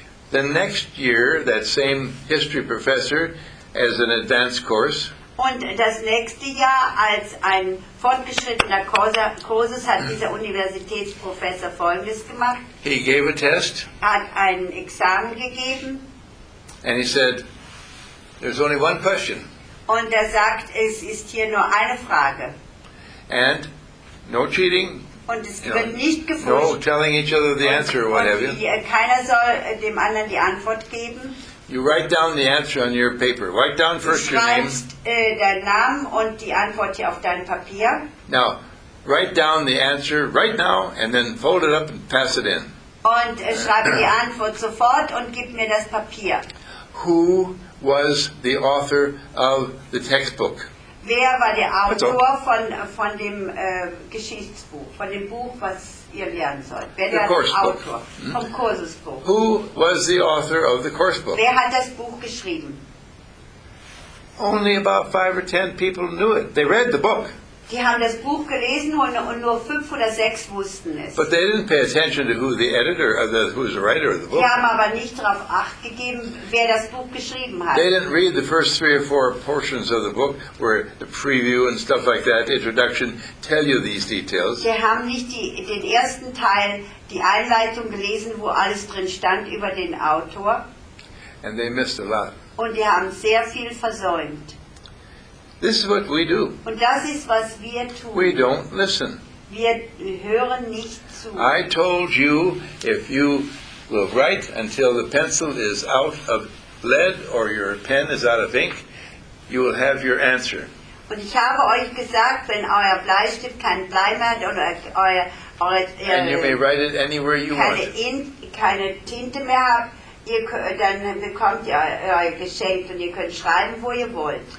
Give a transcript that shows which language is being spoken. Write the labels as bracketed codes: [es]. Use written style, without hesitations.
[en] The next year, that same history professor, as an advanced course. [de] Und das nächste Jahr als ein fortgeschrittener Kurs hat dieser Universitätsprofessor Folgendes gemacht. [en] He gave a test. [de] Hat ein Examen gegeben. [en] And he said, "There's only one question." [de] Und er sagt, es ist hier nur eine Frage. [en] And no cheating. [de] Und es [en] you [de] wird [en] know, [de] nicht gefragt. [en] No telling each other the answer or whatever. [de] Keiner soll dem anderen die Antwort geben. [en] You write down the answer on your paper. Write down first your name. [de] Du schreibst deinen Namen und die Antwort hier auf dein Papier. [en] Now, write down the answer right now and then fold it up and pass it in. [de] Und schreibe die Antwort sofort und gib mir das Papier. [en] Who was the author of the textbook? [de] Wer war der Autor von dem Geschichtsbuch, von dem Buch, was ihr lernen sollt. Wer der Autor vom Kursesbuch? [en] Who was the author of the course book? [de] Wer hat das Buch geschrieben? [en] Only about 5 or 10 people knew it. They read the book. [de] Die haben das Buch gelesen und nur 5 oder 6 wussten es. [en] But they didn't pay attention to who the editor, who was the writer of the book. [de] Die haben aber nicht darauf Acht gegeben, wer das Buch geschrieben hat. [en] They didn't read the first 3 or 4 portions of the book, where the preview and stuff like that, introduction, tell you these details. [de] Die haben nicht den ersten Teil, die Einleitung gelesen, wo alles drin stand über den Autor. [en] And they missed a lot. [de] Und die haben sehr viel versäumt. [en] This is what we do. [de] Und das ist, was wir tun. [en] We don't listen. [de] Wir hören nicht zu. [en] I told you, if you will write until the pencil is out of lead or your pen is out of ink, you will have your answer. [de] Und ich habe euch gesagt, wenn euer Bleistift kein Blei mehr hat oder [en] and you may write it anywhere you [de] keine [en] want. [de] Keine Tinte mehr habt, dann bekommt ihr euer Geschenk und ihr könnt schreiben, wo ihr wollt.